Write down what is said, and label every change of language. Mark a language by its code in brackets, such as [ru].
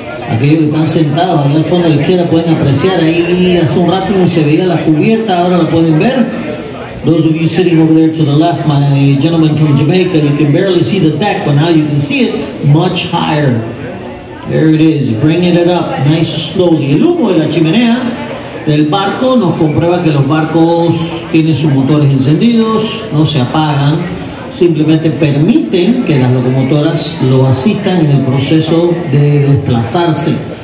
[es] Aquellos que están sentados ahí al fondo de la izquierda pueden apreciar ahí hace un rato no se veía la cubierta, ahora la pueden ver. [en] Those of you sitting over there to the left, my gentleman from Jamaica, you can barely see the deck, but now you can see it much higher. There it is, bringing it up nice and slowly. [es] El humo de la chimenea del barco nos comprueba que los barcos tienen sus motores encendidos, no se apagan, simplemente permiten que las locomotoras lo asistan en el proceso de desplazarse.